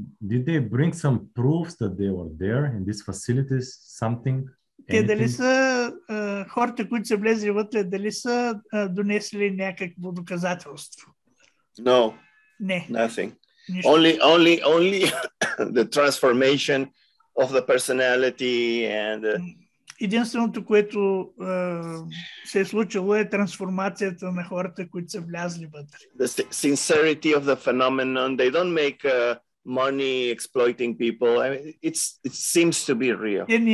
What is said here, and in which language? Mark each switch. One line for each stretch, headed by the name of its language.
English: Did they bring some proofs that they were there in these facilities, something?
Bulgarian: Те дали са хората, които са влезли вътре, дали са донесли някакво доказателство?
English: No.
Bulgarian: Не.
English: Nothing.
Bulgarian: Нищо.
English: Only the transformation of the personality and...
Bulgarian: Единственото, което се е случило, е трансформацията на хората, които са влязли вътре.
English: The sincerity of the phenomenon. They don't make money exploiting people. I mean, it seems to be real.